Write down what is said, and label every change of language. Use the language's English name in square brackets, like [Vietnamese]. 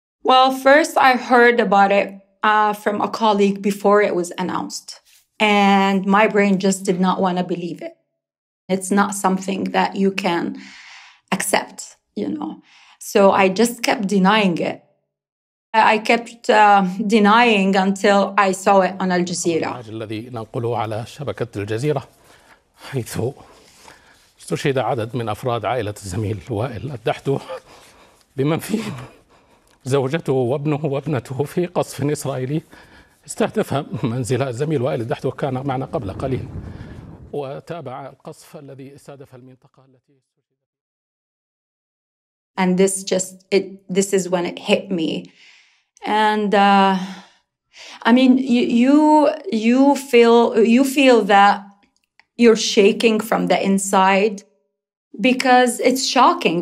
[English] Well, first I heard about it from a colleague before it was announced. And my brain just did not want to believe it. It's not something that you can accept, you know. So I just kept denying it. I kept denying until I saw it on Al Jazeera. [Arabic] الذي ننقله على شبكة الجزيرة حيث استشهد عدد من أفراد عائلة الزميل وائل الدحدوح بمن فيه زوجته وابنه وابنته في قصف إسرائيلي استهدف منزل الزميل وائل الدحدوح كان معنا قبل قليل وتابع القصف الذي استهدف المنطقة التي. [English] And this is when it hit me. And I mean, you feel that you're shaking from the inside because it's shocking.